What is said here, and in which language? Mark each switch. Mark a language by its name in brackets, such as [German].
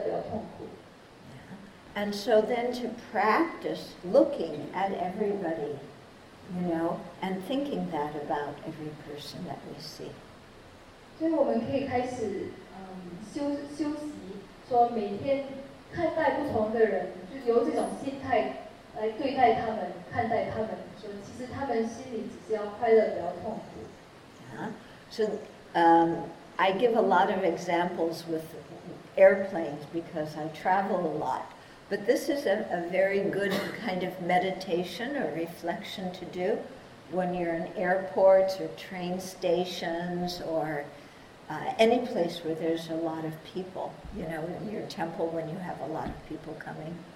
[Chinese] 其实我们都是平等的，因为我们心里都是只要快乐，不要痛苦。 [English] And so then to practice looking at everybody, you know, and thinking that about every person that we see. [Chinese] 所以我们可以开始休息，说每天看待不同的人，就由这种心态来对待他们，看待他们，说其实他们心里只是要快乐，不要痛苦。 [English] So I give a lot of examples with airplanes because I travel a lot. But this is a very good kind of meditation or reflection to do when you're in airports or train stations or any place where there's a lot of people, you know, in your temple when you have a lot of people coming.